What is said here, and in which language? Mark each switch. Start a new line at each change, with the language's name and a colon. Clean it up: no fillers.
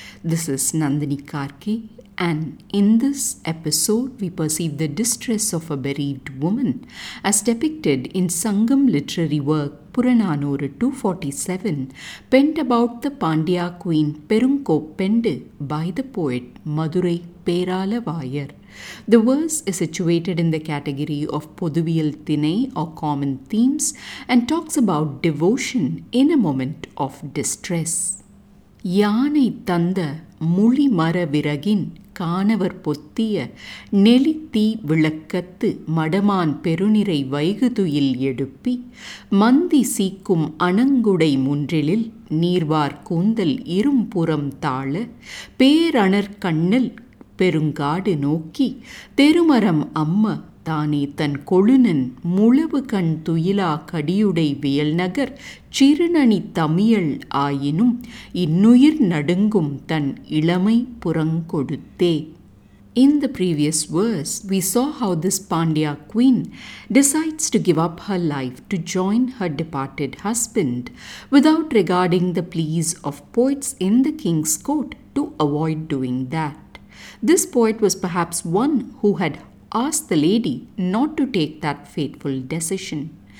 English: This is Nandini Karki, and in this episode we perceive the distress of a bereaved woman as depicted in Sangam literary work Puranaanooru 247, penned about the Pandya Queen Perunkoppendu by the poet Madurai Peraalavaayar. The verse is situated in the category of Pothuviyal Thinai or common themes and talks about devotion in a moment of distress.
Tamil: யானை தந்த முழிமர விறகின் காணவர் பொத்திய நெளி தீ விளக்கத்து மடமான் பெருநிறை வைகுதுயில் எடுப்பி மந்தி சீக்கும் அணங்குடை முன்றிலில் நீர்வார் கூந்தல் இரும்புறம் தாழ பேரணர் கண்ணில் பெருங்காடு நோக்கி தெருமரம் அம்ம தானே தன் கொழுனன் முழவு கண் துயிலா கடியுடை வியல்நகர் சிறுநனி தமிழ் ஆயினும் இன்னுயிர் நடுங்கும் தன் இளமை புறங்கொடுத்தே.
English: In the previous verse, we saw how this Pandya queen decides to give up her life to join her departed husband without regarding the pleas of poets in the king's court to avoid doing that. This poet was perhaps one who had asked the lady not to take that fateful decision.